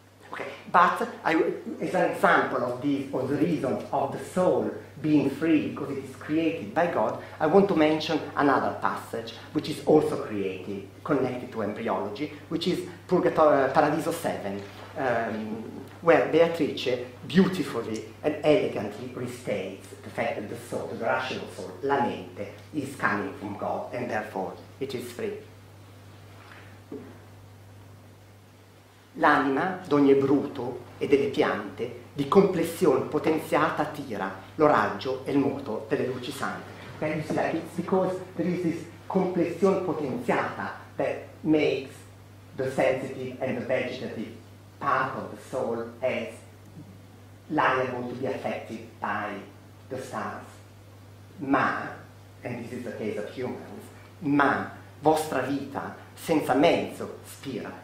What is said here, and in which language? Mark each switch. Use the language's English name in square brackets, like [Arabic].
[English] Okay, but as an example of this, or the reason of the soul being free because it is created by God, I want to mention another passage which is also created, connected to embryology, which is Paradiso 7. Where Beatrice beautifully and elegantly restates the fact that the soul, the rational soul, la mente, is coming from God and therefore it is free. [Italian] L'anima d'ogni bruto e delle piante di complession potenziata tira lo raggio e il moto delle luci sante. [English] And you see, it's because there is this [Italian] complession potenziata [English] that makes the sensitive and the vegetative part of the soul as liable to be affected by the stars. [Italian] Ma, [English] and this is the case of humans, [Italian] ma, vostra vita, senza mezzo, spira.